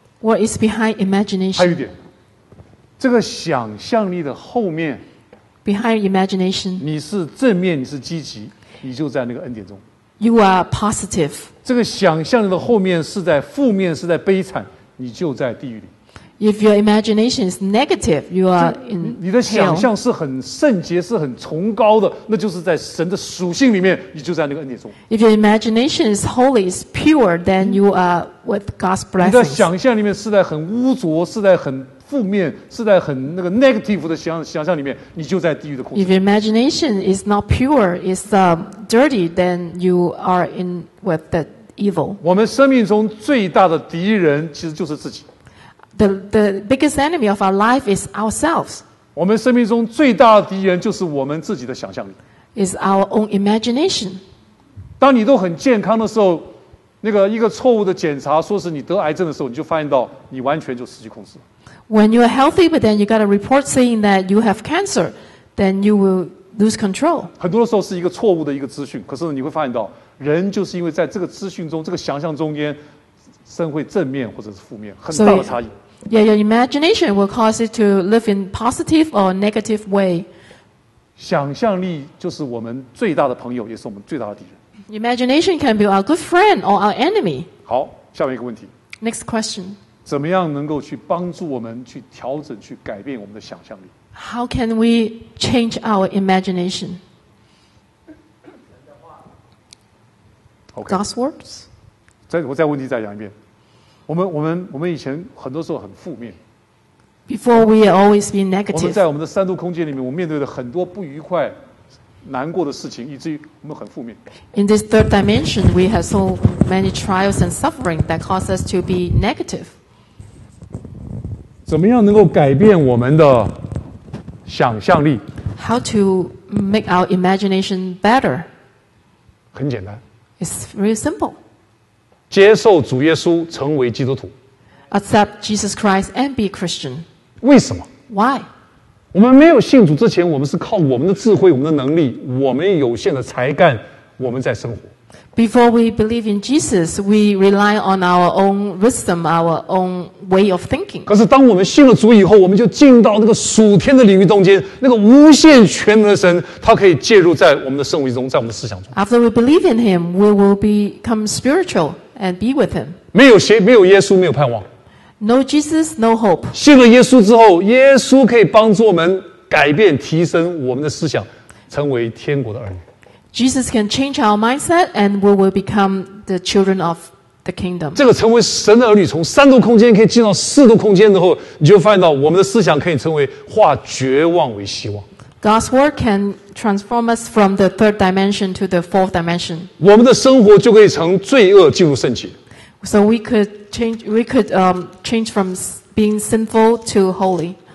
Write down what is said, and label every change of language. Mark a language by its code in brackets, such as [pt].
[en] What is behind imagination? [zh] 还有一点，这个想象力的后面。 [en] Behind imagination. [zh] 你是正面，你是积极，你就在那个恩典中。 [en] You are positive. [zh] 这个想象的后面是在负面，是在悲惨，你就在地狱里。 [en] If your imagination is negative, you are in hell. [zh] 你的想象是很圣洁，是很崇高的，那就是在神的属性里面，你就在那个恩典中。 [en] If your imagination is holy, is pure, then you are with God's blessings. [zh] 你的想象里面是在很污浊，是在很负面，是在很那个 negative 的想象里面，你就在地狱的控制。 [en] If your imagination is not pure, is dirty, then you are in with the evil. [zh] 我们生命中最大的敌人其实就是自己。 [en] The biggest enemy of our life is ourselves. [zh] 我们生命中最大的敌人就是我们自己的想象力。 [en] Is our own imagination. [zh] 当你都很健康的时候，那个一个错误的检查说是你得癌症的时候，你就发现到你完全就失去控制。 [en] When you are healthy, but then you got a report saying that you have cancer, then you will lose control. [zh] 很多时候是一个错误的一个资讯，可是你会发现到人就是因为在这个资讯中，这个想象中间。生会正面或者是负面，很大的差异。 [en] Yeah, your imagination will cause it to live in positive or negative way. [zh] 想象力就是我们最大的朋友，也是我们最大的敌人。 [en] Imagination can be our good friend or our enemy. [zh] 好，下面一个问题。 [en] Next question. [zh] 怎么样能够去帮助我们去调整、去改变我们的想象力 [en] ？How can we change our imagination? God's words. [zh] 我再问题再讲一遍，我们以前很多时候很负面。 [en] Before we always be negative. [zh] 我们在我们的三度空间里面，我们面对了很多不愉快、难过的事情，以至于我们很负面。 [en] In this third dimension, we have so many trials and suffering that cause us to be negative. [zh] 怎么样能够改变我们的想象力 [en] ？How to make our imagination better? [zh] 很简单。 [en] It's really simple. [zh] 接受主耶稣成为基督徒 [en] Accept Jesus Christ and be a Christian [zh] 为什么 [en] Why [zh] 我们没有信主之前我们是靠我们的智慧我们的能力我们有限的才干我们在生活 [en] Before we believe in Jesus We rely on our own wisdom Our own way of thinking [zh] 可是当我们信了主以后我们就进到那个属天的领域中间那个无限全能的神他可以介入在我们的生活中在我们的思想中 [en] After we believe in him We will become spiritualAnd be with him. [zh] 没有谁，没有耶稣，没有盼望。 [en] No Jesus, no hope. [zh] 信了耶稣之后，耶稣可以帮助我们改变、提升我们的思想，成为天国的儿女。 [en] Jesus can change our mindset, and we will become the children of the kingdom. [zh] 这个成为神的儿女，从三度空间可以进到四度空间之后，你就发现到我们的思想可以成为化绝望为希望。 [en] God's word can transform us from the third dimension to the fourth dimension. [zh] 我们的生活就可以从罪恶进入圣洁。 [en] So we could change, change from being sinful to holy.